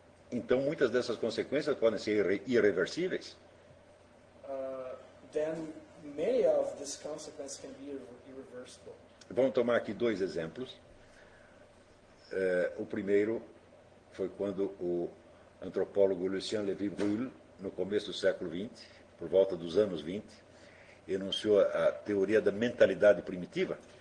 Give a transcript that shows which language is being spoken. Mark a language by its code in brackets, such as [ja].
[pt] então muitas dessas consequências podem ser irreversíveis. [en] Then many of these consequences can be irreversible. [pt] Vamos tomar aqui dois exemplos. O primeiro foi quando o antropólogo Lucien Levy-Brühl, no começo do século XX, por volta dos anos 20, enunciou a teoria da mentalidade primitiva.